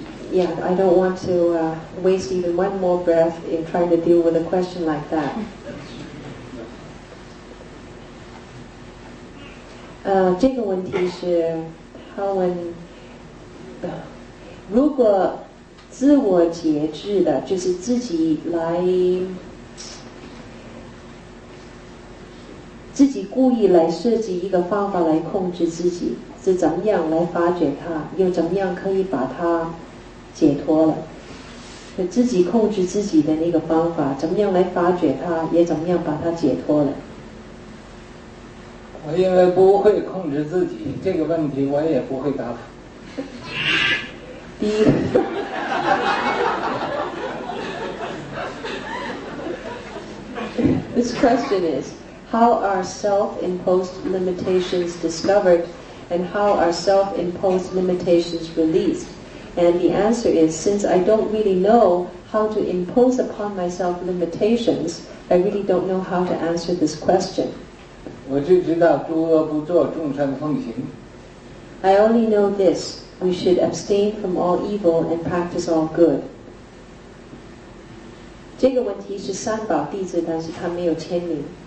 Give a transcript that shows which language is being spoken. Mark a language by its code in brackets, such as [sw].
[en] Yeah, I don't want to waste even one more breath in trying to deal with a question like that. [zh] 自我节制的，就是自己来，自己故意来设计一个方法来控制自己，是怎么样来发觉它，又怎么样可以把它解脱了？就自己控制自己的那个方法，怎么样来发觉它，也怎么样把它解脱了？我因为不会控制自己，这个问题我也不会答复。第一。 [en] This question is, how are self-imposed limitations discovered and how are self-imposed limitations released? And the answer is, since I don't really know how to impose upon myself limitations, I really don't know how to answer this question. [zh] 我只知道诸恶不作，众善奉行。 [en] I only know this. We should abstain from all evil and practice all good. [zh] 这个问题是三宝弟子，但是他没有签名。